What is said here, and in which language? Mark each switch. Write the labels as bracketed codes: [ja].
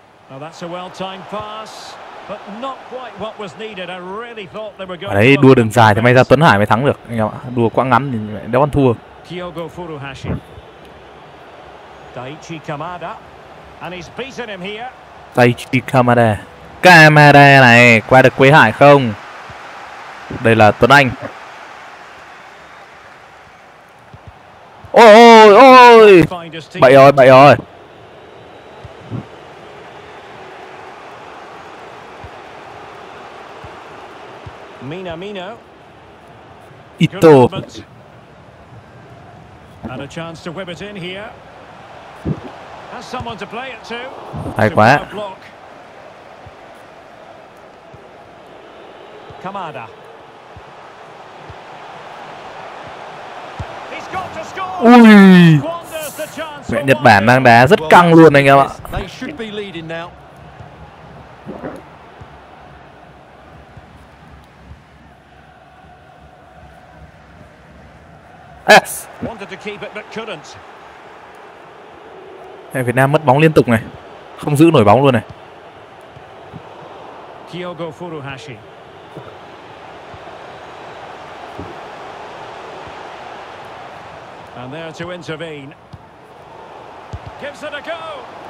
[en] Now that's a well-timed pass, but not quite what was needed. I really thought they were going. [vi] Đấy, đua đường dài thì may ra Tuấn Hải mới thắng được anh em ạ. Đua quãng ngắn thì đéo ăn thua. [en] Kyogo Furuhashi. Daichi Kamada. And he's beaten him here. Daichi Kamada. [vi] Kamada này qua được Quế Hải không? Đây là Tuấn Anh. Ôi ôi ôi. Bậy rồi, bậy rồi. [en] Minamino. Ito. And a chance to whip it in here. Has someone to play it to. [vi] Hay quá. [en] Kamada. He's got to score. Ui. [vi] Mẹ Nhật Bản đang đá rất căng luôn anh em ạ. [en] They should be leading now. Yes. Wanted to keep it but couldn't. [vi] Việt Nam mất bóng liên tục này. Không giữ nổi bóng luôn này. [en] Kyogo Furuhashi. And there to intervene. Gives it a go.